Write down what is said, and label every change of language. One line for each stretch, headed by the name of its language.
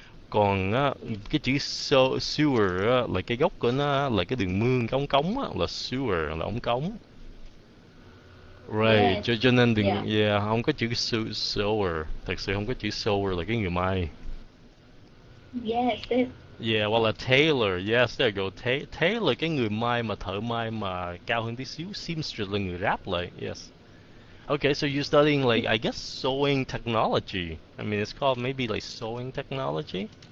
Vietnamese: Còn á, cái chữ so, sewer á, là cái gốc của nó là cái đường mương, cái ống cống á, là sewer, là ống cống.
English: Right, yes.
Vietnamese: Cho nên đừng,
English: yeah.
Vietnamese: Yeah, không có chữ sewer. Thật sự không có chữ sewer là cái người mai.
English: Yes. Yeah, well, a tailor, yes, there you go.
Vietnamese: Tailor, cái người mai mà thợ mai mà cao hơn tí xíu, seamstress là người ráp lại, yes.
English: Okay, so you're studying, like, I guess, sewing technology. I mean, it's called maybe, like, sewing technology?